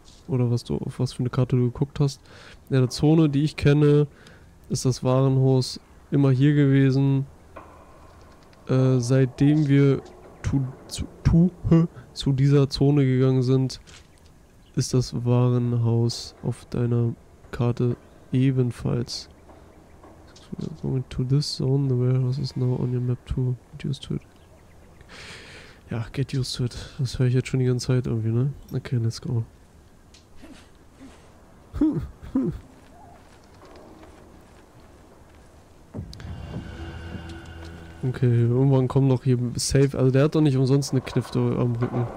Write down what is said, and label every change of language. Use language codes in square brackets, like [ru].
[de] Oder was du auf was für eine Karte du geguckt hast. In der Zone, die ich kenne, ist das Warenhaus immer hier gewesen. Seitdem wir zu dieser Zone gegangen sind, ist das Warenhaus auf deiner Karte ebenfalls. [en] So we're going to this zone, the warehouse is now on your map too. Get used to it. Ja, get used to it. [de] Das höre ich jetzt schon die ganze Zeit irgendwie, ne? [en] Okay, let's go. [de] Okay, irgendwann kommen doch hier safe. Also der hat doch nicht umsonst eine Knifte am Rücken.